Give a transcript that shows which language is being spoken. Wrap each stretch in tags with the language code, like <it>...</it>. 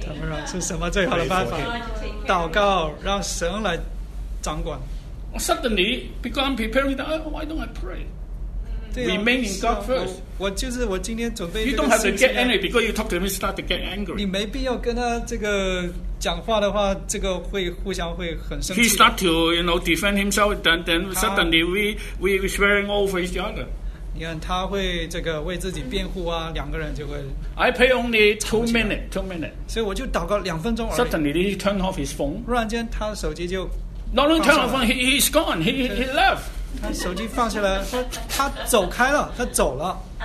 <zh>Tamara 是什么最好的办法？祷告，让神来掌管。</zh> <en>Suddenly, because I'm preparing, why don't I pray? Remain in God first.</en> <zh>我就是我今天准备。</zh> <en>You don't have to get angry because you talk to him, start to get angry.</en> <zh>你没必要跟他这个讲。讲话的话，这个会互相会很生气。</zh> <en>He start to you know defend himself, then suddenly we swearing over each other.</en> <zh>你看他会这个为自己辩护啊，两个人就会。</zh> <en>I pay only two minutes.</en> <zh>所以我就祷告两分钟而已。</zh> <en>Suddenly he turn off his phone.</en> <zh>突然间他的手机就。</zh> <en>Not only turn off phone, he's gone. He left.</en> <zh>他手机放下来，他走开了，他走了。</zh>